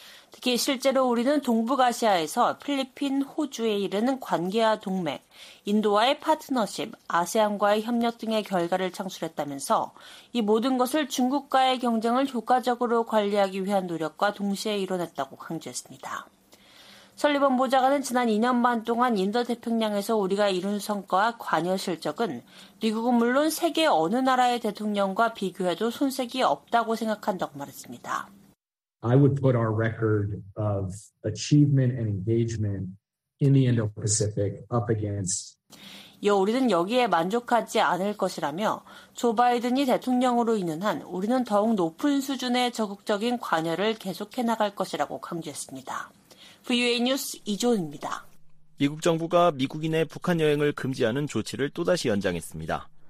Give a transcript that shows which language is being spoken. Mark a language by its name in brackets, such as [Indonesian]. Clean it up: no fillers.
[Korean] 특히 실제로 우리는 동북아시아에서 필리핀, 호주에 이르는 관계와 동맹, 인도와의 파트너십, 아세안과의 협력 등의 결과를 창출했다면서 이 모든 것을 중국과의 경쟁을 효과적으로 관리하기 위한 노력과 동시에 이뤄냈다고 강조했습니다. 설리번 보좌관은 지난 2년 반 동안 인도태평양에서 우리가 이룬 성과와 관여 실적은 미국은 물론 세계 어느 나라의 대통령과 비교해도 손색이 없다고 생각한다고 말했습니다. [English] I would put our record of achievement and engagement in the Indo-Pacific up against. [Korean] 이어 우리는 여기에 만족하지 않을 것이라며 조 바이든이 대통령으로 있는 한 우리는 더욱 높은 수준의 적극적인 관여를 계속해 나갈 것이라고 강조했습니다. VOA 뉴스 이조은입니다. 미국 정부가 미국인의 북한 여행을 금지하는 조치를 또다시 연장했습니다.